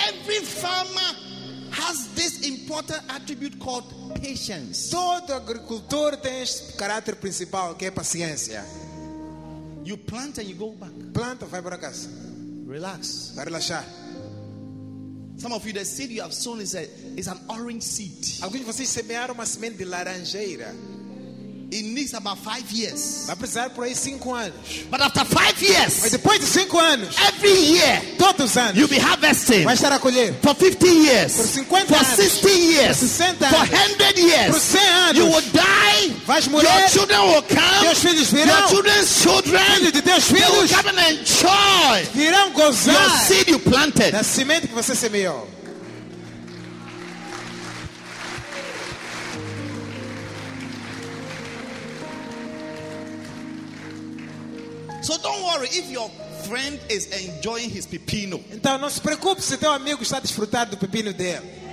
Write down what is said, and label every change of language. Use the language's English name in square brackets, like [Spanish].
[English] Every farmer has this important attribute called patience. [Portuguese] Todo agricultor tem este caráter principal que é paciência. [English] You plant and you go back. [Portuguese] Planta, vai para casa. [English] Relax. [Portuguese] Vai relaxar. [English] Some of you, the seed you have sown is an orange seed. [Portuguese] Alguns de vocês semearam uma semente de laranjeira. [English] It needs about 5 years. [Portuguese] Vai precisar por aí 5 anos. [English] But after 5 years, [Portuguese] mas depois de 5 anos, [English] every year, [Portuguese] todos os anos, [English] you'll be harvesting. [Portuguese] Vai estar a colher. [English] For 50 years, [Portuguese] por 50 [English] for [Portuguese] anos, [English] 60 years, [Portuguese] por 60 anos, [English] for 100 years, [Portuguese] por 100 anos, [English] you will die. [Portuguese] Vais morrer. [English] Your children will come. [Portuguese] Teus filhos virão. [English] Your children's children. [Portuguese] Filhos de teus filhos. [English] They will come and enjoy. [Portuguese] Virão gozar. [English] Your seed you planted. [Portuguese] Da semente que você semeou. [English] So don't worry if your friend is enjoying his pepino. [Portuguese] Então não se preocupe se teu amigo está a desfrutar do pepino dele.